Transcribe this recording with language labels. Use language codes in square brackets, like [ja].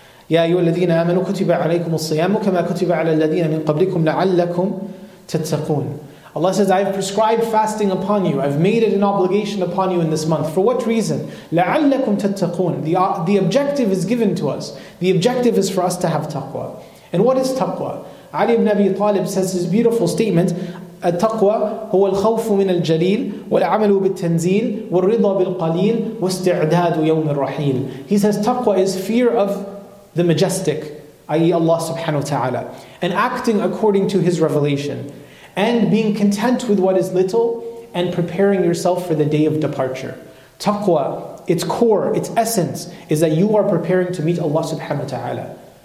[ar] يَا أَيُّوَ الَّذِينَ آمَنُوا كُتِبَ عَلَيْكُمُ الصِّيَامُ كَمَا كُتِبَ عَلَى الَّذِينَ مِنْ قَبْلِكُمْ لَعَلَّكُمْ تَتَّقُونَ. [en] Allah says, I have prescribed fasting upon you. I've made it an obligation upon you in this month. For what reason? [ar] لَعَلَّكُمْ تَتَّقُونَ. [en] The objective is given to us. The objective is for us to have taqwa. And what is taqwa? Ali ibn Abi Talib says his beautiful statement, [ar] التقوى هو الخوف من الجليل والعمل بالتنزيل والرضا بالقليل واستعداد يوم الرحيل. [en] He says taqwa is fear of the majestic, i.e. Allah subhanahu wa ta'ala, and acting according to His revelation, and being content with what is little, and preparing yourself for the day of departure. Taqwa, its core, its essence, is that you are preparing to meet Allah subhanahu wa ta'ala.